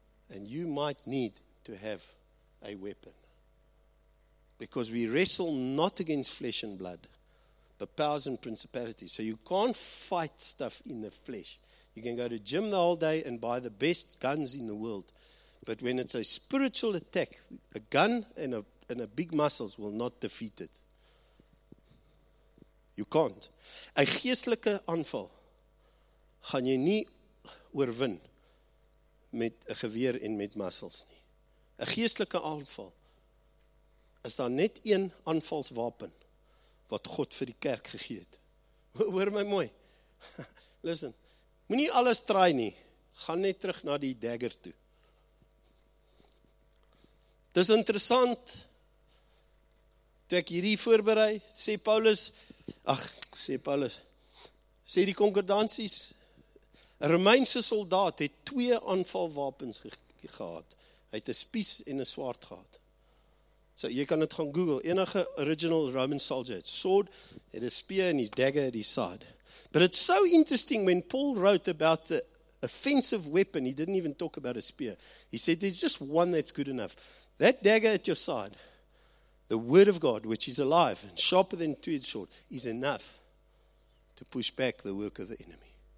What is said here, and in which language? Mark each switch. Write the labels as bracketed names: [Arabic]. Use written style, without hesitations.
[English] And you might need to have a weapon. Because we wrestle not against flesh and blood, but powers and principalities. So you can't fight stuff in the flesh. You can go to gym the whole day and buy the best guns in the world. But when it's a spiritual attack, a gun and a big muscles will not defeat it. You can't. [Afrikaans] A geestelike aanval gaan jy nie oorwin met 'n geweer en met muscles nie. 'N geestelike aanval is daar net een aanvalswapen wat God vir die kerk gegee het. Hoor my mooi. Listen. Moenie alles try nie. Gaan net terug na die dagger toe. Dis interessant. Toe ek hierdie voorberei, sê die konkordansies, 'n Romeinse soldaat het 2 aanvalwapens gehad. Hy het 'n spies en 'n swaard gehad. So jy kan dit gaan Google. [English] Enige original Roman soldier het sword, [Afrikaans] het 'n speer en [English] his dagger at his side. But it's so interesting when Paul wrote about the offensive weapon, he didn't even talk about a spear. He said there's just one that's good enough. That dagger at your side, the word of God, which is alive and sharper than a two-edged sword, is enough to push back the work of the enemy.